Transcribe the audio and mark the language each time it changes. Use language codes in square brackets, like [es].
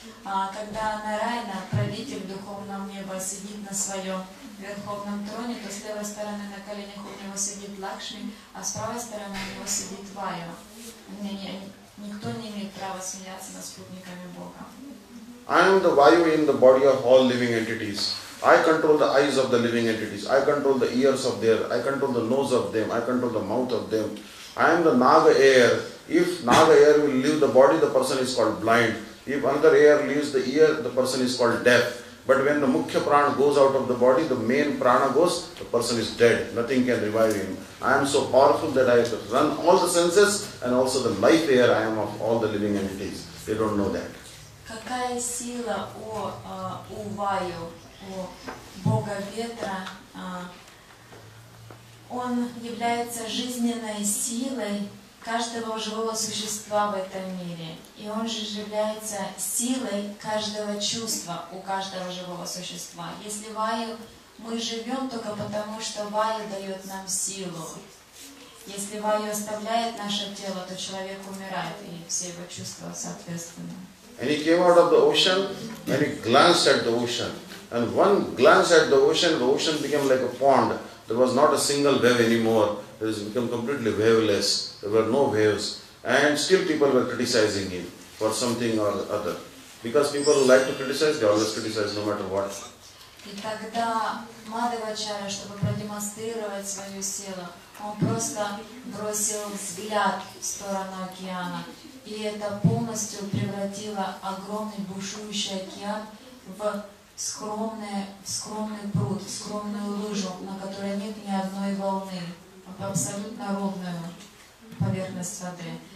[ru] Когда Нарайна, правитель духовного неба, сидит на своем верховном троне, то с левой стороны на коленях у него сидит Лакшми, а с правой стороны у него сидит Ваю. Никто не имеет права смеяться над спутниками Бога. [en] I am the Vayu in the body of all living entities. I control the eyes of the living entities. I control the ears of them. I control the nose of them. I control the mouth of them. I am the Naga air. If Naga air will leave the body, the person is called blind. If another air leaves the ear, the person is called deaf. But when the Mukhya Prana goes out of the body, the main Prana goes, the person is dead. Nothing can revive him. I am so powerful that I run all the senses and also the life air I am of all the living entities. They don't know that. [ru] Какая сила у Ваю, у Бога Ветра? Он является жизненной силой каждого живого существа в этом мире. И он же является силой каждого чувства у каждого живого существа. Если Ваю, мы живем только потому, что Ваю дает нам силу. Если Ваю оставляет наше тело, то человек умирает, и все его чувства соответственно. [en] And he came out of the ocean, and he glanced at the ocean. And one glance at the ocean became like a pond. There was not a single wave anymore. It has become completely waveless. There were no waves. And still people were criticizing him for something or other. Because people like to criticize, they always criticize no matter what. [ru] И тогда Мадхавачарья, чтобы продемонстрировать свою силу, он просто бросил взгляд в сторону океана. И это полностью превратило огромный бушующий океан в скромный пруд, в скромную лужу, на которой нет ни одной волны, а в абсолютно ровную поверхность воды.